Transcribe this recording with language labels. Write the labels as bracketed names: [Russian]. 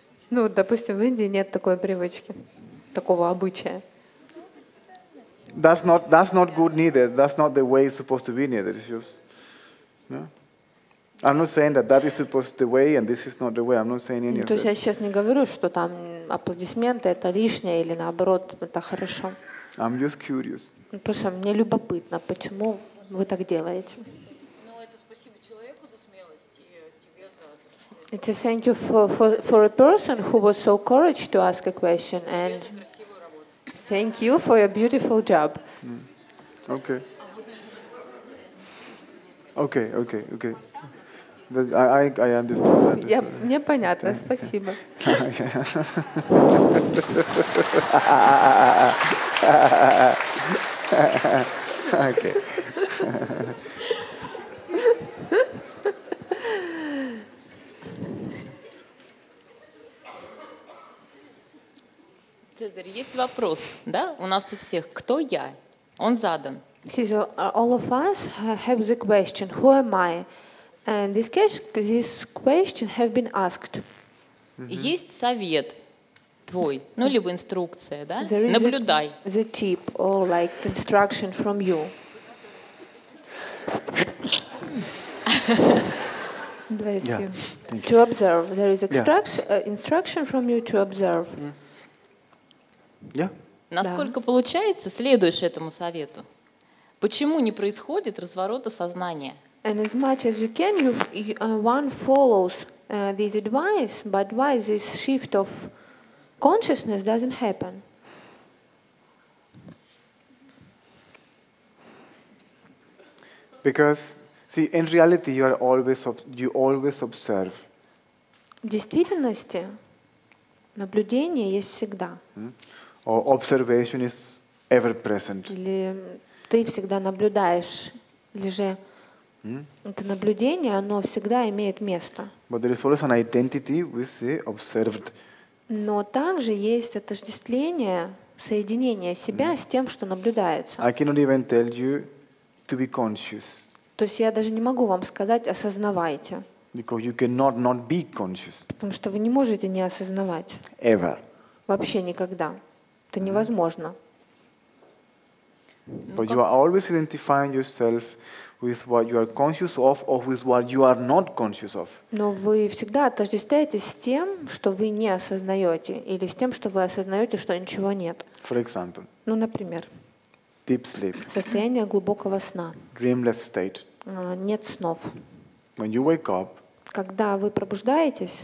[Russian] Ну, допустим, в Индии нет такой привычки, такого обычая. [English] That's not good neither. That's not the way it's supposed to be neither. It's just. No. I'm not saying that is supposed to be the way and this is not the way. I'm not saying any of that. [Russian] То есть я сейчас не говорю, что там аплодисменты это лишнее или наоборот это хорошо. [English] I'm just curious. [Russian] Просто мне любопытно, почему вы так делаете. Ну, это спасибо человеку за смелость и тебе за смелость. [English] It's a thank you for a person who was so courageous to ask a question and thank you for your beautiful job. Okay. Okay. I understand that. [Russian] Я мне понятно, спасибо. [English] Okay. [Russian] Цезарь, есть вопрос, да? У нас у всех, кто я? Он задан. [English] So all of us have the question, who am I? And this question have been asked. Mm-hmm. [Russian] Есть совет твой, ну либо инструкция, да? Наблюдай. [English] The tip or like instruction from you. Bless yeah. you. Thank to observe. There is instruction from you to observe. Mm. Yeah. [Russian] Насколько yeah. получается, следуешь этому совету? Почему не происходит разворота сознания? [English] And as much as you can, one follows this advice, but why this shift of consciousness doesn't happen? Because, see, in reality, you always observe. [Russian] В действительности наблюдение есть всегда. [English] Or observation is ever present. [Russian] Или ты всегда наблюдаешь, или же это наблюдение, оно всегда имеет место. [English] But there is always an identity with the observed. [Russian] Но также есть отождествление, соединение себя с тем, что наблюдается. [English] I cannot even tell you to be conscious. [Russian] То есть я даже не могу вам сказать осознавайте. [English] Because you cannot not be conscious. [Russian] Потому что вы не можете не осознавать. [English] Ever. [Russian] Вообще никогда. Это невозможно. [English] But you are always identifying yourself with what you are conscious of or with what you are not conscious of. [Russian] Но вы всегда отождествляетесь с тем, что вы не осознаете, или с тем, что вы осознаете, что ничего нет. [English] For example. [Russian] Ну, например. [English] Deep sleep. [Russian] Состояние глубокого сна. [English] Dreamless state. [Russian] Нет снов. [English] When you wake up. [Russian] Когда вы пробуждаетесь.